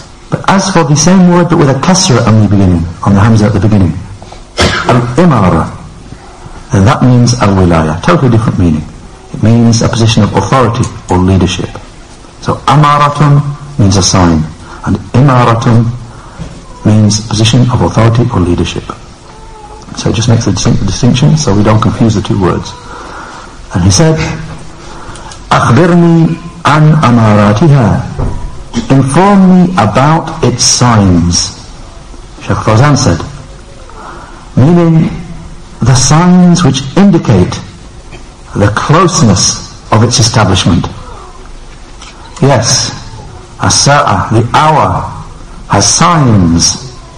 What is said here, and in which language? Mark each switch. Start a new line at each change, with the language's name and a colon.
English: But as for the same word but with a kasra on the beginning, on the hamza at the beginning, al-imara, and that means al-wilaya, totally different meaning. It means a position of authority or leadership. So amaratun means a sign, and imaratun means position of authority or leadership. So it just makes a distinction so we don't confuse the two words. And he said,
Arabic: أخبرني عن أماراتها.
English: Inform me about its signs. Shaykh Fawzan said, meaning the signs which indicate the closeness of its establishment. Yes, As-Sa'ah, the hour, has signs.